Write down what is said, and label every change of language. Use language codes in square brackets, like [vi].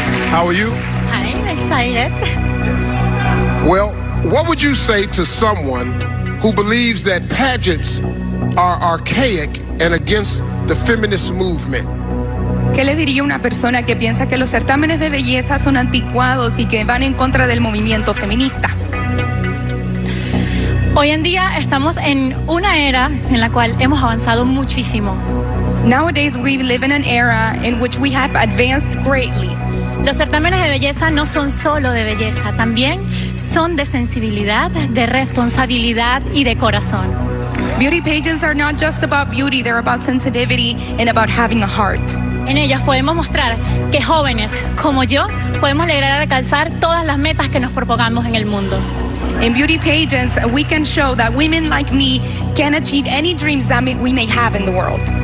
[en] How are you? I'm excited. Well, what would you say to someone who believes that pageants are archaic and against the feminist movement? [es] ¿Qué le diría una persona que piensa que los certámenes de belleza son anticuados y que van en contra del movimiento feminista? Hoy en día estamos en una era en la cual hemos avanzado muchísimo. [en] Nowadays we live in an era in which we have advanced greatly. [es] Los certámenes de belleza no son solo de belleza, también son de sensibilidad, de responsabilidad y de corazón. [en] Beauty pages are not just about beauty, they're about sensitivity and about having a heart. [es] En ellas podemos mostrar que jóvenes como yo podemos lograr alcanzar todas las metas que nos propongamos en el mundo. [en] In beauty pages, we can show that women like me can achieve any dreams that we may have in the world.